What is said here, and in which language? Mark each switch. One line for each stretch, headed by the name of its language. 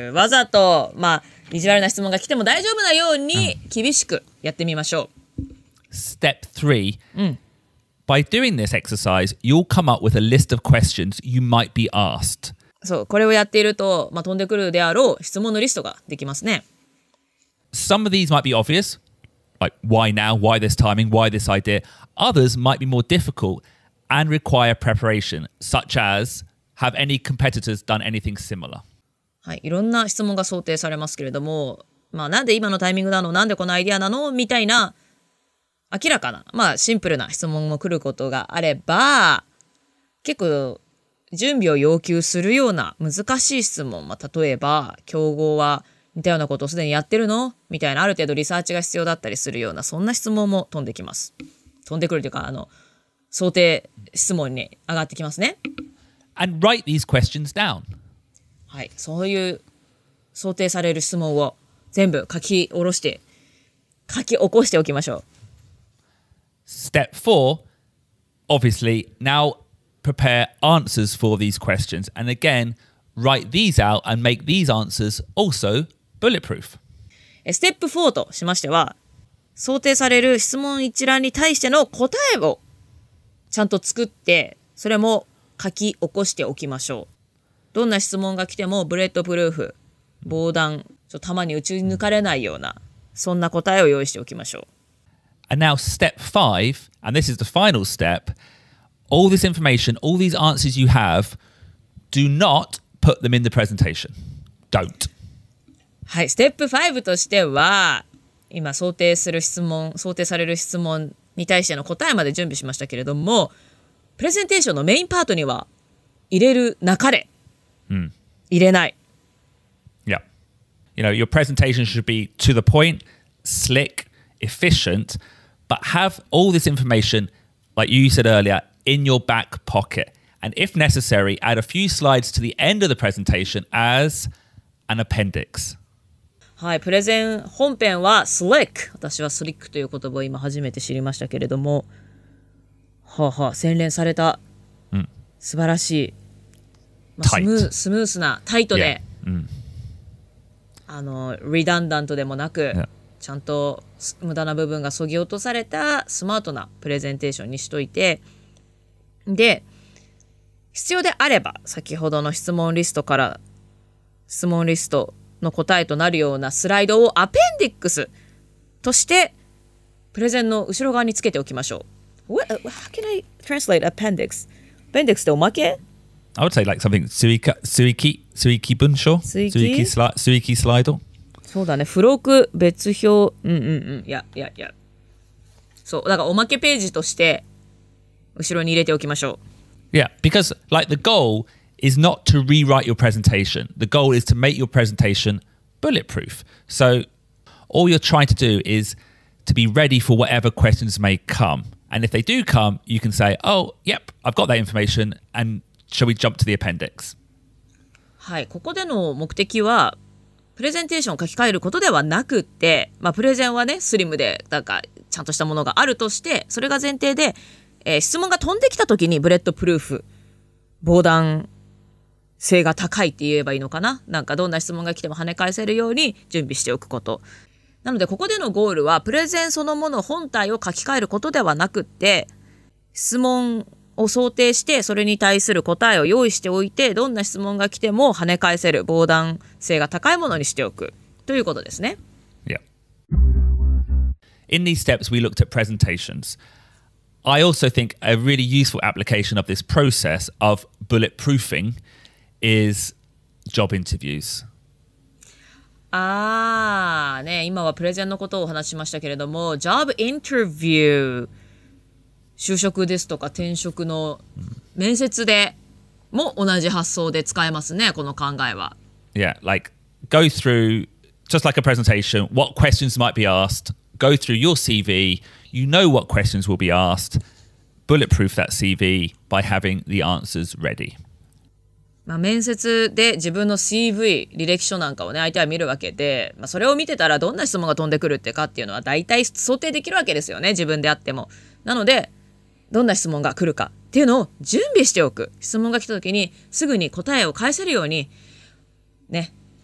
Japanese: わざと、まあ、意地悪な質問が来ても大丈夫なように厳しくやってみましょう。
English: Step 3. By doing this exercise, you'll come up with a list of questions you might be asked.
Japanese: そう、これをやっていると、まあ、飛んでくるであろう質問のリストができますね。
English: Some of these might be obvious, like why now, why this timing, why this idea. Others might be more difficult and require preparation, such as have any competitors done anything similar?
Japanese: はい、いろんな質問が想定されますけれども、まあ、なんで今のタイミングなの、なんでこのアイディアなのみたいな明らかな、まあ、シンプルな質問も来ることがあれば、結構準備を要求するような難しい質問、まあ、例えば競合は似たようなことをすでにやってるのみたいな、ある程度リサーチが必要だったりするような、そんな質問も飛んできます。飛んでくるというか、あの想定質問に上がってきますね。
English: And write these questions down.
Japanese: はい、そういう想定される質問を全部書き下ろして、書き起こしておきましょう。
English: Step 4, obviously, now prepare answers for these questions. And again, write these out and make these answers also bulletproof.
Japanese: Step 4としましては、想定される質問一覧に対しての答えをちゃんと作って、それも書き起こしておきましょう。どんな質問が来てもブレットプルーフ、防弾、ちょっと弾に撃ち抜かれないような、そんな答えを用意しておきましょう。
English: And now step 5, and this is the final step. All this information, all these answers you have, do not put them in the presentation. Don't.
Japanese: はい、ステップ5としては、今想定する質問、想定される質問に対しての答えまで準備しましたけれども、プレゼンテーションのメインパートには入れるなかれ。うん。入れない。 Yeah.
English: You know, your presentation should be to the point, slick, efficient, but have all this information, like you said earlier, in your back pocket. And if necessary, add a few slides to the end of the presentation as an appendix.
Japanese: はい、プレゼン本編はスリック。私はスリックという言葉を今初めて知りましたけれども、はあ、はあ、洗練された、うん、素晴らしい、まあ、スムースなタイトで、 yeah. うん、あのリダンダントでもなく、yeah. ちゃんと無駄な部分が削ぎ落とされたスマートなプレゼンテーションにしといて、で必要であれば先ほどの質問リストから質問リストの答えとなるようなスライドをアペンディックスとしてプレゼンの後ろ側につけておきましょう。
English: What, how can I translate appendix? Appendix
Japanese: っておまけ?
English: I would say like something suiki
Japanese: 文章?
English: suiki スライド?
Japanese: そうだね、付録別表、うんうんうん、いや。そう、だからおまけページとして後ろに入れておきましょう。
English: Yeah, because like the goalis not to rewrite your presentation. The goal is to make your presentation bulletproof. So all you're trying to do is to be ready for whatever questions may come. And if they do come, you can say, oh, yep, I've got that information, and shall we jump to the appendix?
Japanese: はい、ここでの目的はプレゼンテーションを書き換えることではなくて、まあ、プレゼンはね、スリムでなんかちゃんとしたものがあるとして、それが前提で、質問が飛んできた時にブレットプルーフ、防弾、性が高いって言えばいいのかな、なんかどんな質問が来ても跳ね返せるように準備しておくこと。なのでここでのゴールはプレゼンそのもの本体を書き換えることではなくって、質問を想定してそれに対する答えを用意しておいて、どんな質問が来ても跳ね返せる防弾性が高いものにしておくということですね。
English: Yeah. In these steps we looked at presentations. I also think a really useful application of this process of bulletproofingis job interviews.
Japanese: Ah, ね、今はプレゼンのことをお話ししましたけれども、job interview、就職ですとか転職の面接でも同じ発想で使えますね、この考えは。
English: Yeah, like go through just like a presentation, what questions might be asked, go through your CV, you know what questions will be asked, bulletproof that CV by having the answers ready.
Japanese: まあ、面接で自分の CV、履歴書なんかをね、相手は見るわけで、まあ、それを見てたらどんな質問が飛んでくるってかっていうのは大体想定できるわけですよね、自分であっても。なので、どんな質問が来るかっていうのを準備しておく。質問が来た時にすぐに答えを返せるように、ね。